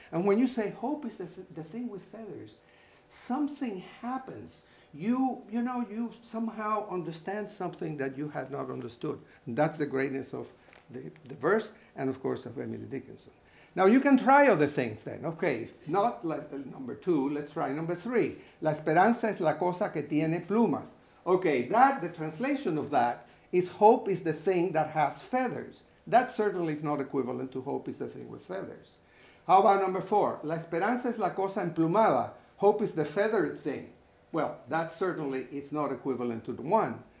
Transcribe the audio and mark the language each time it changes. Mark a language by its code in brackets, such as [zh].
[en] And when you say hope is the thing with feathers, something happens. You know, you somehow understand something that you had not understood. And that's the greatness of the verse, and of course of Emily Dickinson. Now you can try other things then. Okay, not like number two, let's try number three. [es] La esperanza es la cosa que tiene plumas. [en] Okay, that, the translation of that is hope is the thing that has feathers. That certainly is not equivalent to hope is the thing with feathers. How about number four? [es] La esperanza es la cosa emplumada. [en] Hope is the feathered thing. Well, that certainly is not equivalent to the one.